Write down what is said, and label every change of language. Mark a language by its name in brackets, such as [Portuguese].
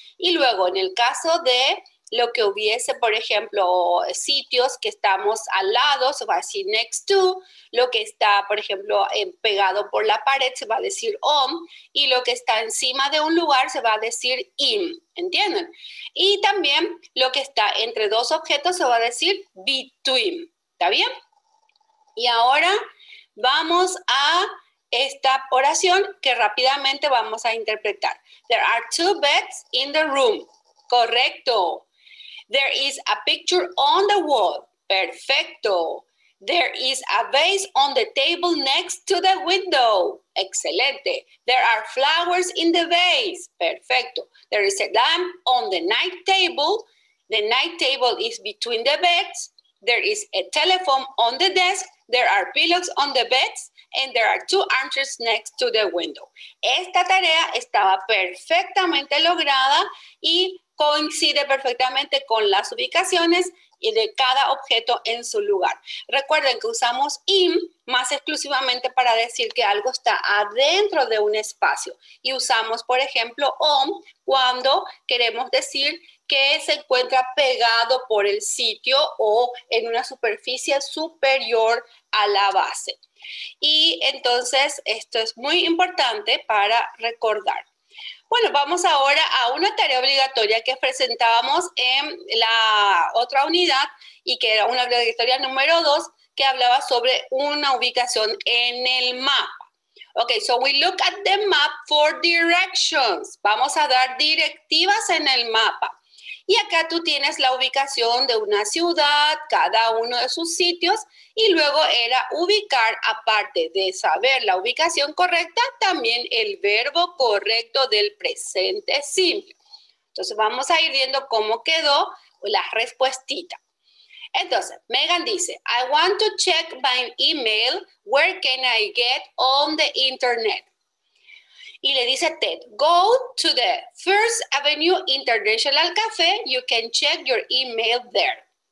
[Spanish] Y luego en el caso de lo que hubiese, por ejemplo, sitios que estamos al lado, se va a decir next to, lo que está, por ejemplo, pegado por la pared, se va a decir on, y lo que está encima de un lugar, se va a decir in, ¿entienden? Y también lo que está entre dos objetos, se va a decir between, ¿está bien? Y ahora vamos a esta oración que rápidamente vamos a interpretar. [English] There are two beds in the room. [Spanish] Correcto. [English] There is a picture on the wall. [Spanish] Perfecto. [English] There is a vase on the table next to the window. [Spanish] Excelente. [English] There are flowers in the vase. [Spanish] Perfecto. [English] There is a lamp on the night table. The night table is between the beds. There is a telephone on the desk. There are pillows on the beds. And there are two armchairs next to the window. [Spanish] Esta tarea estaba perfectamente lograda y coincide perfectamente con las ubicaciones y de cada objeto en su lugar. Recuerden que usamos in más exclusivamente para decir que algo está adentro de un espacio. Y usamos, por ejemplo, on cuando queremos decir que se encuentra pegado por el sitio o en una superficie superior a la base. Y entonces esto es muy importante para recordar. Bueno, vamos ahora a una tarea obligatoria que presentábamos en la otra unidad y que era una obligatoria número 2 que hablaba sobre una ubicación en el mapa. [English] Ok, so we look at the map for directions. [Spanish] Vamos a dar directivas en el mapa. Y acá tú tienes la ubicación de una ciudad, cada uno de sus sitios, y luego era ubicar, aparte de saber la ubicación correcta, también el verbo correcto del presente simple. Entonces vamos a ir viendo cómo quedó la respuestita. Entonces, Megan dice, [English] I want to check my email, where can I get on the internet? [Spanish] Y le dice [English] Ted, go to the First Avenue International Cafe, you can check your email there.